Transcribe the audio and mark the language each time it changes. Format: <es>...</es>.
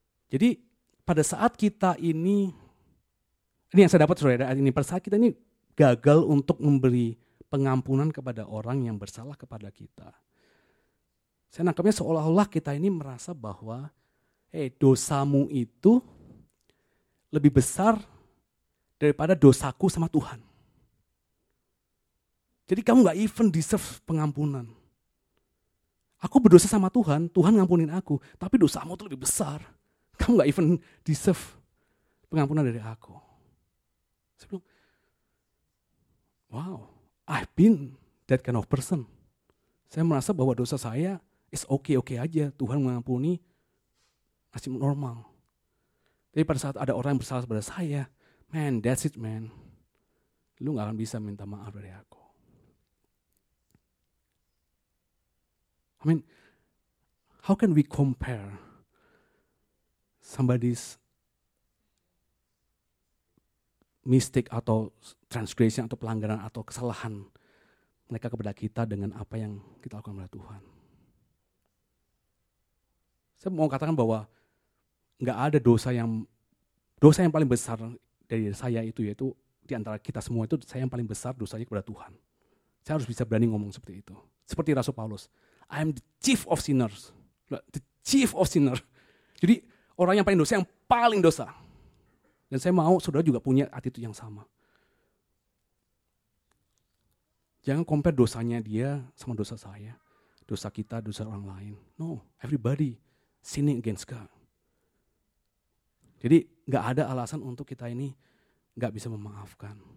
<id>Jadi pada saat kita ini yang saya dapat saudara ini, pada saat kita ini gagal untuk memberi pengampunan kepada orang yang bersalah kepada kita, saya nangkapnya seolah-olah kita ini merasa bahwa dosamu itu lebih besar daripada dosaku sama Tuhan. Jadi kamu gak even deserve pengampunan. Aku berdosa sama Tuhan, Tuhan ngampunin aku, tapi dosamu itu lebih besar. Kamu gak even deserve pengampunan dari aku. Saya bilang,</id> <en>wow, I've been that kind of person.</en> <id>Saya merasa bahwa dosa saya</id> <en>is okay-okay</en> <id>aja, Tuhan mengampuni, masih normal. Tapi pada saat ada orang yang bersalah kepada saya,</id> <en>man, that's it, man.</en> <id>Lu gak akan bisa minta maaf dari aku.</id> <en>I mean, how can we compare somebody's</en> <id>mistake atau transgression atau pelanggaran atau kesalahan mereka kepada kita dengan apa yang kita lakukan kepada Tuhan. Saya mau katakan bahwa enggak ada dosa yang paling besar dari saya itu, yaitu di antara kita semua itu saya yang paling besar dosanya kepada Tuhan. Saya harus bisa berani ngomong seperti itu. Seperti Rasul Paulus,</id> <en>I am the chief of sinners. The chief of sinners.</en> <id>Jadi orang yang paling dosa, yang paling dosa. Dan saya mau saudara juga punya attitude yang sama. Jangan compare dosanya dia sama dosa saya, dosa kita, dosa orang lain.</id> <en>No, everybody sinning against God.</en> <id>Jadi gak ada alasan untuk kita ini gak bisa memaafkan.</id>